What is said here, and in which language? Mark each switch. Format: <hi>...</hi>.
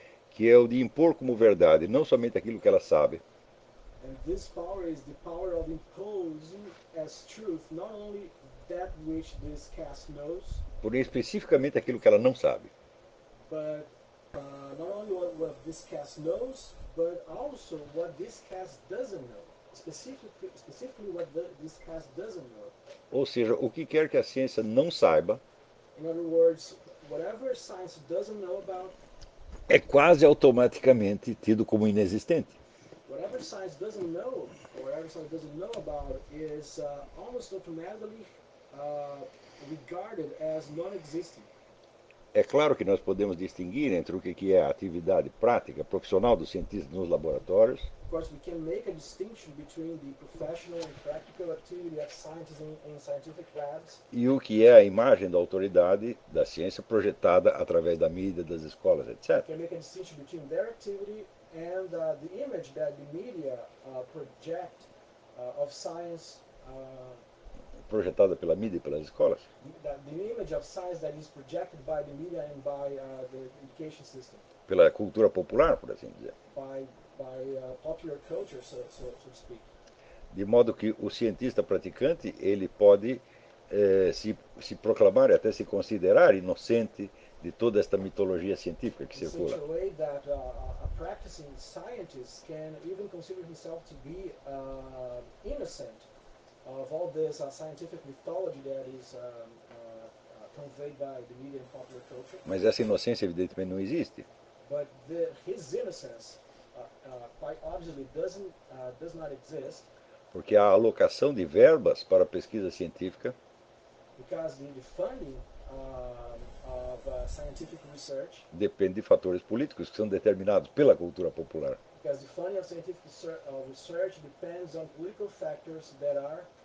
<pt>Que é o de impor como verdade, não somente aquilo que ela sabe.</pt> <en>And this power is the power of imposing as truth, not only that which this caste knows,</en> <pt>porém especificamente aquilo que ela não sabe.</pt> <en>But not only what this caste knows, but also what this caste doesn't know. Specifically what this caste doesn't know.</en> <pt>Ou seja, o que quer que a ciência não saiba.</pt> <en>In other words, whatever science doesn't know about,</en> <pt>é quase automaticamente tido como inexistente.</pt> <en>Whatever science doesn't know, whatever science doesn't know about, is almost automatically regarded as non-existent.</en> <pt>É claro que nós podemos distinguir entre o que é a atividade prática profissional dos cientistas nos laboratórios.</pt> <en>Of course, we can make a distinction between the professional and practical activity of scientists in scientific labs.</en> <pt>E o que é a imagem da autoridade da ciência projetada através da mídia, das escolas, etc.</pt> <en>We can make a distinction between their activity and the image that the media project of science.</en> <pt>Projetada pela mídia e pelas escolas.</pt> <en>The image of science that is projected by the media and by the education system.</en> <pt>Pela cultura popular, por assim dizer.</pt> <en>By popular culture, so to speak.</en> <pt>De modo que o cientista praticante, ele pode se proclamar e até se considerar inocente de toda esta mitologia científica que circula.</pt> <en>In such a way that a practicing scientist can even consider himself to be innocent of all this scientific mythology that is conveyed by the media and popular culture.</en> <pt>Mas essa inocência evidentemente não existe.</pt> <en>But his innocence quite obviously does not exist.</en> <pt>Porque a alocação de verbas para pesquisa científica,</pt> <en>because the funding of scientific research,</en> <pt>depende de fatores políticos que são determinados pela cultura popular.</pt> <en>Because the funding of scientific research depends on political factors that are</en>